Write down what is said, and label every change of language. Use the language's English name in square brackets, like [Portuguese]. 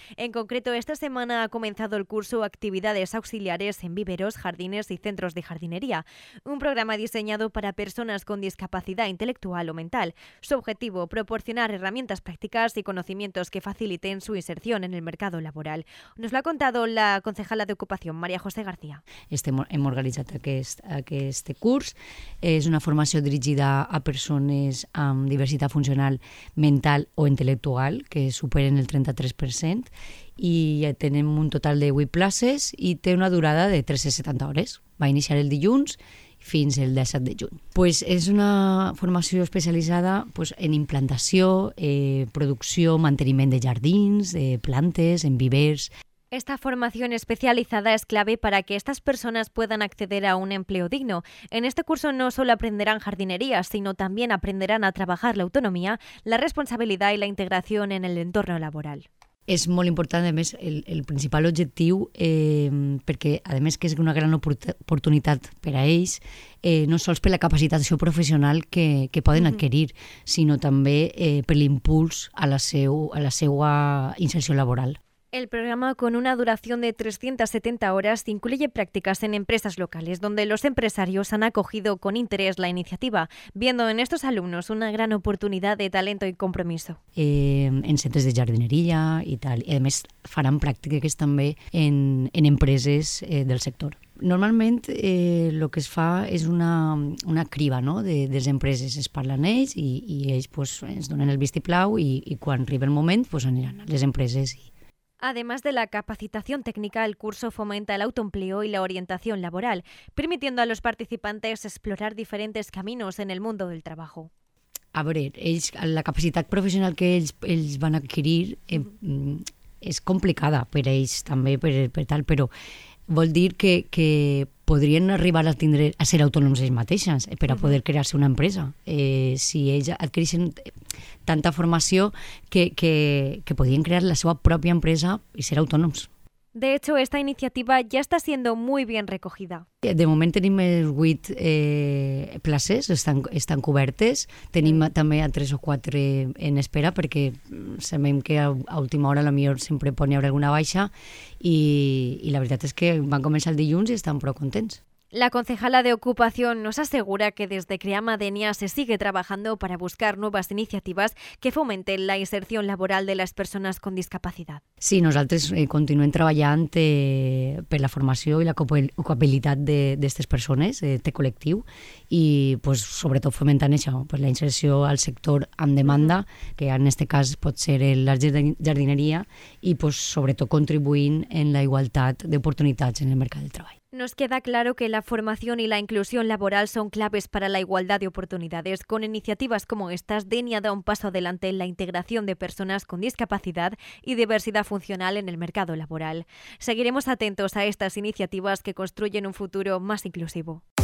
[Spanish] En concreto, esta semana ha comenzado el curso Actividades auxiliares en viveros, jardines y centros de jardinería. Un programa diseñado para personas con discapacidad intelectual o mental. Su objetivo, proporcionar herramientas prácticas y conocimientos que faciliten su inserción en el mercado laboral. Nos lo ha contado la concejala de Ocupación, María José García. [Catalan] Hem organitzat aquest curs. És una formació dirigida a persones amb diversitat funcional mental o intel·lectual que superen el 33%. I ja tenim un total de 8 places i té una durada de 13-70 hores. Va iniciar el dilluns fins el 17 de juny. Pues és una formació especialitzada pues, en implantació, producció, manteniment de jardins, de plantes, en vivers. [Spanish] Esta formación especializada es clave para que estas personas puedan acceder a un empleo digno. En este curso no solo aprenderán jardinería, sino también aprenderán a trabajar la autonomía, la responsabilidad y la integración en el entorno laboral. [Catalan] És molt important, a més, el principal objectiu, perquè, a més, que és una gran oportunitat per a ells, no sols per la capacitació professional que poden adquirir, sinó també per l'impuls a la seva inserció laboral. [Spanish] El programa, con una duración de 370 horas, incluye prácticas en empresas locales, donde los empresarios han acogido con interés la iniciativa, viendo en estos alumnos una gran oportunidad de talento y compromiso. [Catalan] En centres de jardineria i tal. I, a més, faran pràctiques també en empreses del sector. Normalment, el que es fa és una criba, no? De les empreses. Es parlen ells i ells pues, ens donen el vistiplau i quan arriba el moment pues, aniran a les empreses i... [Spanish] Además de la capacitación técnica, el curso fomenta el autoempleo y la orientación laboral, permitiendo a los participantes explorar diferentes caminos en el mundo del trabajo. A ver, [Catalan] la capacitat professional que ells van adquirir és complicada per a ells també, per tal, però vol dir que podrien arribar a ser autònoms ells mateixos per a poder crear-se una empresa. Si ells adquireixen tanta formació que podrien crear la seva pròpia empresa i ser autònoms. [Spanish] De hecho, esta iniciativa ya está siendo muy bien recogida. [Catalan] De moment tenim 8 places, estan cobertes. Tenim també a 3 o 4 en espera perquè sabem que a última hora potser sempre pot haver alguna baixa i la veritat és que van començar el dilluns i estan prou contents. [Spanish] La concejala de Ocupación nos asegura que desde Creama Denia se sigue trabajando para buscar nuevas iniciativas que fomenten la inserción laboral de las personas con discapacidad. [Catalan] Sí, nosaltres continuem treballant per la formació i la ocupabilitat d'aquestes persones, de col·lectiu, i pues, sobretot fomentant això, pues, la inserció al sector amb demanda, que en aquest cas pot ser la jardineria, i pues, sobretot contribuint en la igualtat d'oportunitats en el mercat del treball. [Spanish] Nos queda claro que la formación y la inclusión laboral son claves para la igualdad de oportunidades. Con iniciativas como estas, Denia da un paso adelante en la integración de personas con discapacidad y diversidad funcional en el mercado laboral. Seguiremos atentos a estas iniciativas que construyen un futuro más inclusivo.